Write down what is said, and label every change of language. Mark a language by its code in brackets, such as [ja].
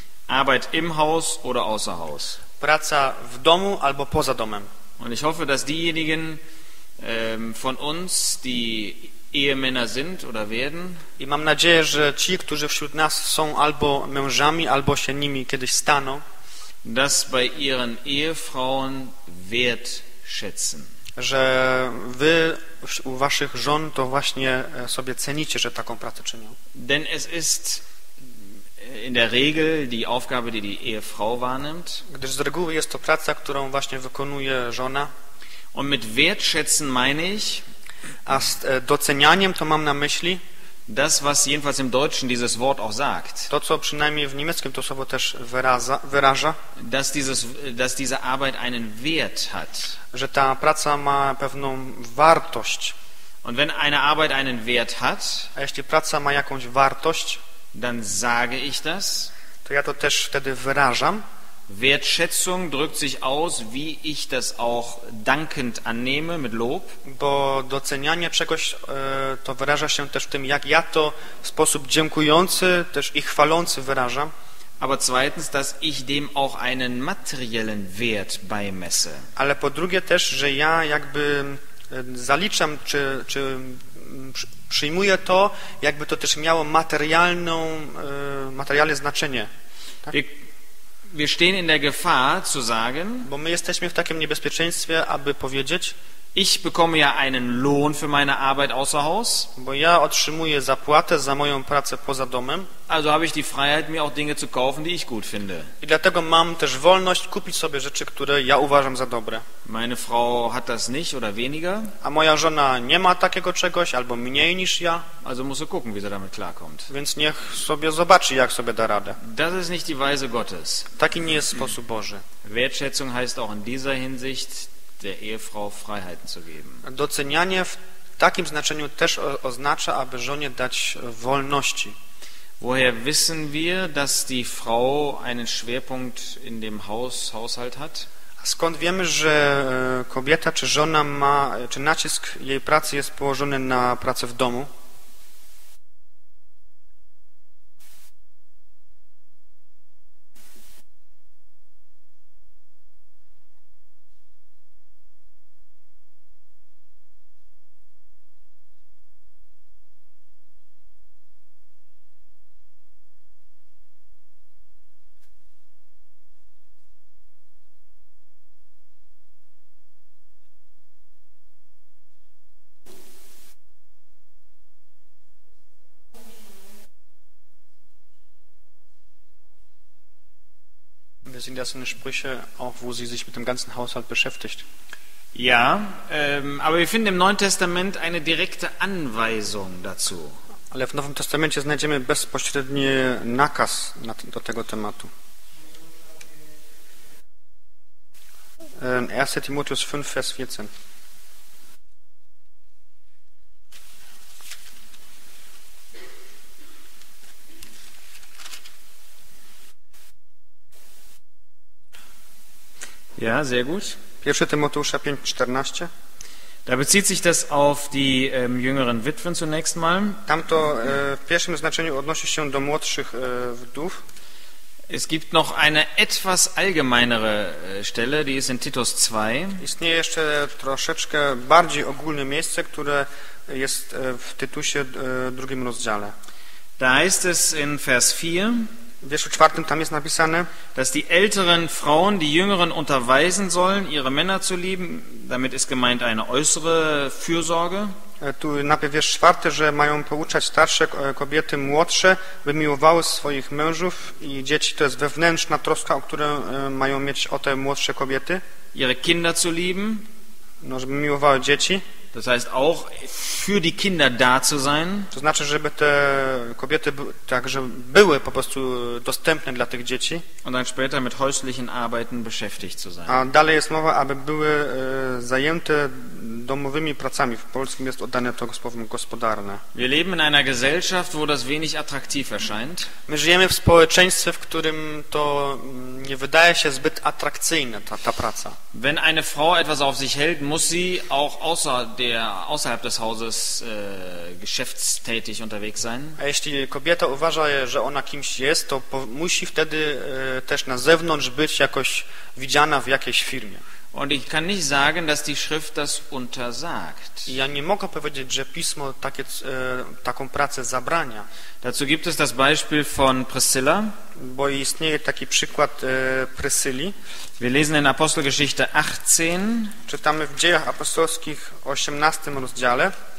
[de] Arbeit im Haus oder außer Haus. [pl] Praca w domu albo poza domem. [de] Und ich hoffe, dass diejenigen von uns, die Ehemänner sind oder werden. [pl] I mam nadzieję, że ci, którzy wśród nas są albo mężami, albo się nimi kiedyś staną, [de] das bei ihren Ehefrauen wertschätzen. [pl] Że wy u waszych żon to właśnie sobie cenicie, że taką pracę czynią. [de] Denn es ist in der Regel die Aufgabe, die die Ehefrau wahrnimmt. [pl] Gdyż z reguły jest to praca, którą właśnie wykonuje żona. [de] Und mit wertschätzen meine ich, [pl] a z docenianiem to mam na myśli [de] das, was jedenfalls im Deutschen dieses Wort auch sagt, [pl] to co przynajmniej w niemieckim to słowo też wyraża, [de] dass diese Arbeit einen Wert hat. [pl] Że ta praca ma pewną wartość. [de] Und wenn eine Arbeit einen Wert hat, [pl] a jeśli praca ma jakąś wartość, [de] dann sage ich das, [pl] to ja to też wtedy wyrażam. [de] Wertschätzung drückt sich aus, wie ich das auch dankend annehme mit Lob. [pl] Bo docenianie czegoś to wyraża się też w tym, jak ja to w sposób dziękujący też i chwalący wyrażam. [de] Aber zweitens, dass ich dem auch einen materiellen Wert beimesse. [pl] Ale po drugie też, że ja jakby zaliczam czy przyjmuję to, jakby to też miało materialne znaczenie. Tak? [de] Wir stehen in der Gefahr zu sagen, [pl] bo my jesteśmy w takim niebezpieczeństwie, aby powiedzieć, [de] ich bekomme ja einen Lohn für meine Arbeit außer Haus, [pl] bo ja otrzymuję zapłatę za moją pracę poza domem, [de] also habe ich die Freiheit, mir auch Dinge zu kaufen, die ich gut finde. [pl] I dlatego mam też wolność kupić sobie rzeczy, które ja uważam za dobre. [de] Meine Frau hat das nicht oder weniger. [pl] A moja żona nie ma takiego czegoś albo mniej niż ja. [de] Also muss sie gucken, wie sie damit klarkommt. [pl] Więc niech sobie zobaczy, jak sobie da radę. [de] Das ist nicht die Weise Gottes. [pl] Taki nie jest sposób Boży. [de] Wertschätzung heißt auch in dieser Hinsicht der Ehefrau Freiheiten zu geben. [pl] Docenianie w takim znaczeniu też oznacza, aby żonie dać wolności. [de] Woher wissen wir, dass die Frau einen Schwerpunkt in dem Haushalt hat? [pl] Skąd wiemy, że kobieta czy żona ma, czy nacisk jej pracy jest położony na pracę w domu? [de] Sind das eine Sprüche, auch wo sie sich mit dem ganzen Haushalt beschäftigt? Ja, aber wir finden im Neuen Testament eine direkte Anweisung dazu. [pl] Ale w Nowym Testamencie znajdziemy bezpośredni nakaz do tego tematu. [de] 1. Timotheus 5, Vers 14. Ja, sehr gut. [pl] 1. Timoteusza 5, 14. [de] Da bezieht sich das auf die jüngeren Witwen zunächst mal. [pl] Tam to w pierwszym znaczeniu odnosi się do młodszych wdów. [de] Es gibt noch eine etwas allgemeinere Stelle, die ist in Titus 2. [pl] Istnieje jeszcze troszeczkę bardziej ogólne miejsce, które jest w Tytusie drugim rozdziale. [de] Da heißt es in Vers 4. [pl] W wierszu czwartym tam jest napisane, [de] dass die älteren Frauen die jüngeren unterweisen sollen, ihre Männer zu lieben. Damit ist gemeint eine äußere Fürsorge. [pl] Tu napisane wiersz czwarty, że mają pouczać starsze kobiety młodsze, by miłowały swoich mężów i dzieci. To jest wewnętrzna troska, o którą mają mieć o te młodsze kobiety. [de] Ihre Kinder zu lieben. [pl] No, żeby miłowały dzieci. [de] Das heißt auch für die Kinder da zu sein. [pl] To znaczy, żeby te kobiety także były po prostu dostępne dla tych dzieci. [de] Und dann später mit häuslichen Arbeiten beschäftigt zu sein. [pl] A dalej jest mowa, aby były zajęte domowymi pracami. W polskim jest oddane to słowem gospodarne. [de] Wir leben in einer Gesellschaft, wo das wenig attraktiv erscheint. [pl] My żyjemy w społeczeństwie, w którym to nie wydaje się zbyt atrakcyjne ta praca. [de] Wenn eine Frau etwas auf sich hält, muss sie auch außerhalb des Hauses geschäftstätig unterwegs sein. [pl] A jeśli kobieta uważa, że ona kimś jest, to musi wtedy też na zewnątrz być jakoś widziana w jakiejś firmie. [de] Und ich kann nicht sagen, dass die Schrift das untersagt. [pl] Ja nie mogę powiedzieć, że Pismo taką pracę zabrania. [de] Dazu gibt es das Beispiel von Priscilla. [pl] Bo istnieje taki przykład Priscyli. [de] Wir lesen in Apostelgeschichte 18. [pl] Czytamy w Dziejach Apostolskich 18 rozdziale.